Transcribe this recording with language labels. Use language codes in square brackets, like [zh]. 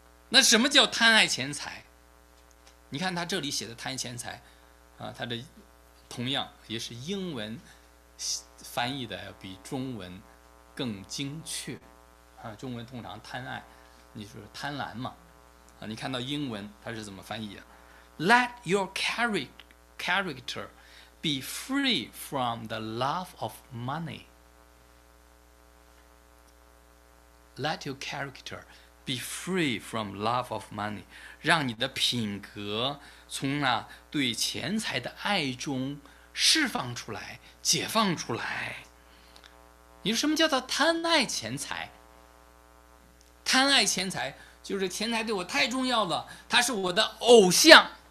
[zh] 那什么叫贪爱钱财？你看他这里写的贪爱钱财，他的同样也是英文翻译的比中文更精确，中文通常贪爱，你说贪婪嘛，你看到英文他是怎么翻译的？ [en] Let your character be free from the love of money. Let your character be free from love of money. [zh] 让你的品格从那对钱财的爱中释放出来，解放出来。你说什么叫做贪爱钱财？贪爱钱财就是钱财对我太重要了，它是我的偶像。